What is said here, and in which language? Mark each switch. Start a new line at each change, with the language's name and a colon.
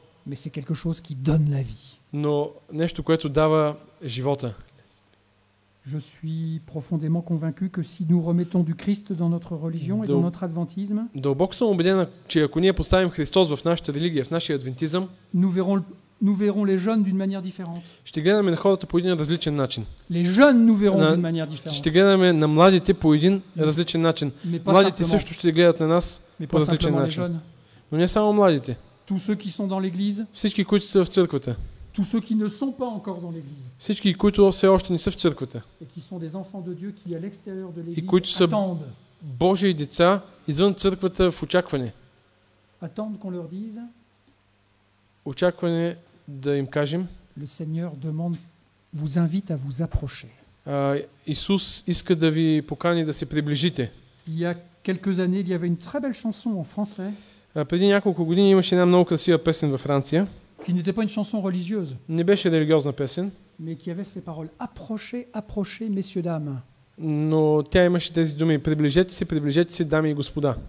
French: Mais c'est quelque chose qui donne la vie.
Bulgarian: Но нещо, което дава живота.
French: Je suis profondément convaincu que si nous remettons du Christ dans notre religion et dans notre adventisme,
Bulgarian: дълбоко съм убеден, че ако ние поставим Христос в нашата религия, в нашия адвентизъм,
French: nous verrons les jeunes d'une manière différente.
Bulgarian: Ще гледаме на хората по един различен начин.
French: Les jeunes nous verront d'une manière différente.
Bulgarian: Ще гледаме на младите по един различен начин. Младите също ще гледат на нас по различен начин. Но не само младите.
French: Tous ceux qui sont dans l'église.
Bulgarian: Всички, които са в църквата.
French: Tous ceux qui ne sont pas encore dans l'église.
Bulgarian: Всички, които все още не са в църквата.
French: Et qui sont des enfants de Dieu qui à l'extérieur de l'église attendent.
Bulgarian: Божии деца извън църквата в очакване.
French: Attendent qu'on leur dise.
Bulgarian: Очакване да им кажем.
French: Le Seigneur demande vous invite à vous approcher.
Bulgarian: Исус иска да ви покани да се приближите.
French: Il y a quelques années, il y avait une très belle chanson en français.
Bulgarian: Преди няколко години имаше една много красива песен във Франция.
French: Qui n'était pas une chanson religieuse.
Bulgarian: Не беше религиозна песен.
French: Mais qui avait ces paroles approchez, approchez messieurs dames.
Bulgarian: Но тя имаше тези думи приближете се дами и господа.